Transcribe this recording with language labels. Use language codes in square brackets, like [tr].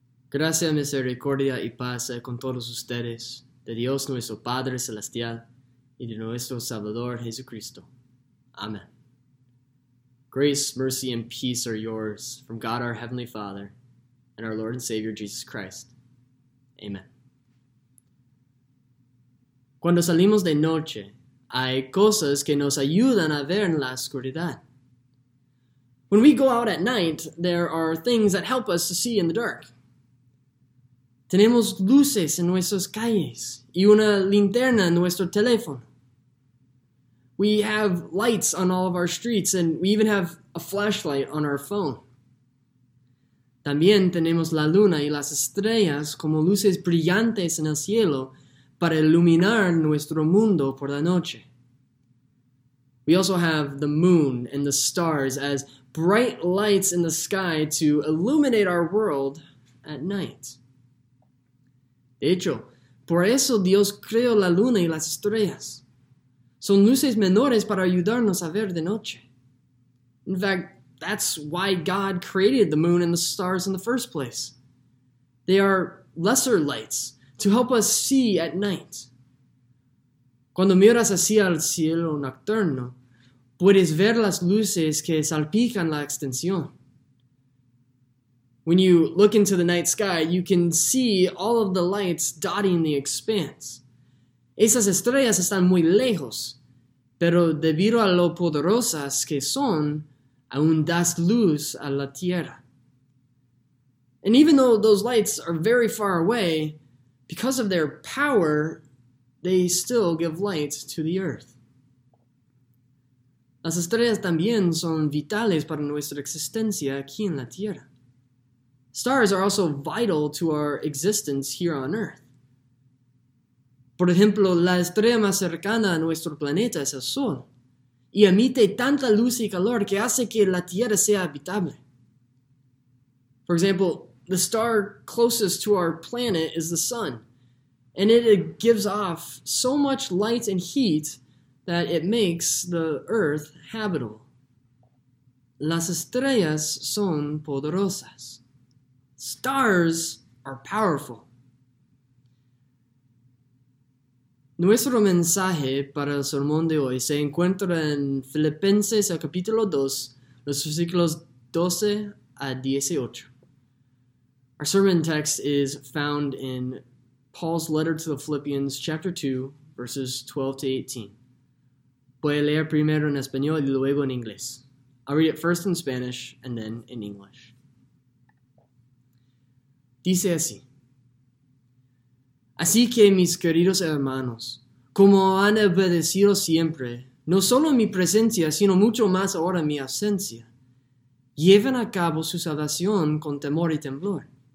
[es] Gracias, misericordia y paz con todos ustedes, de Dios nuestro Padre Celestial y de nuestro Salvador Jesucristo. [en] Amen. Grace, mercy, and peace are yours from God our Heavenly Father and our Lord and Savior Jesus Christ. Amen. [es] Cuando salimos de noche, hay cosas que nos ayudan a ver en la oscuridad. [en] When we go out at night, there are things that help us to see in the dark. [es] Tenemos luces en nuestras calles y una linterna en nuestro teléfono. [en] We have lights on all of our streets and we even have a flashlight on our phone. [es] También tenemos la luna y las estrellas como luces brillantes en el cielo para iluminar nuestro mundo por la noche. [en] We also have the moon and the stars as bright lights in the sky to illuminate our world at night. [es] De hecho, por eso Dios creó la luna y las estrellas. Son luces menores para ayudarnos a ver de noche. [en] In fact, that's why God created the moon and the stars in the first place. They are lesser lights to help us see at night. [es] Cuando miras hacia el cielo nocturno, puedes ver las luces que salpican la extensión. [en] When you look into the night sky, you can see all of the lights dotting the expanse. [es] Esas estrellas están muy lejos, pero debido a lo poderosas que son, aún das luz a la tierra. [en] And even though those lights are very far away, because of their power, they still give light to the earth. [es] Las estrellas también son vitales para nuestra existencia aquí en la tierra. [en] Stars are also vital to our existence here on Earth. [es] Por ejemplo, la estrella más cercana a nuestro planeta es el Sol, y emite tanta luz y calor que hace que la Tierra sea habitable. [en] For example, the star closest to our planet is the Sun, and it gives off so much light and heat that it makes the Earth habitable. [es] Las estrellas son poderosas. [en] Stars are powerful. [es] Nuestro mensaje para el sermón de hoy se encuentra en Filipenses, el capítulo 2, los versículos 12 a 18. [en] Our sermon text is found in Paul's letter to the Philippians, chapter 2, verses 12 to 18. [es] Voy a leer primero en español y luego en inglés. [en] I'll read it first in Spanish and then in English. [es] Dice así: Así que, mis queridos hermanos, como han obedecido siempre, no solo en mi presencia, sino mucho más ahora en mi ausencia, lleven a cabo su salvación con temor y temblor.